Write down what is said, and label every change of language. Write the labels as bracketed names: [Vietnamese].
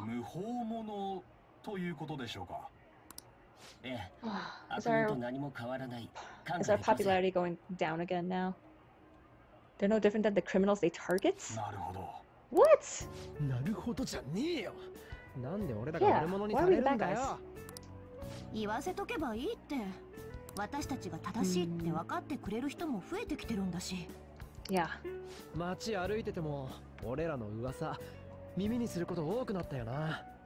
[Japanese] 無法者ということでしょうか。ええ、あくまでも何も変わらない。 [English] Is our popularity going down again now? They're no different than the criminals they target? [Japanese] なるほど。 [English] What? [Japanese] なるほどじゃねえよ。なんで俺らが悪者にされるんだよ。言わせとけばいいって。私たちが正しいって分かってくれる人も増えてきてるんだし。 [English] Yeah. [Japanese] 街歩いてても俺らの噂耳にすること多くなったよな。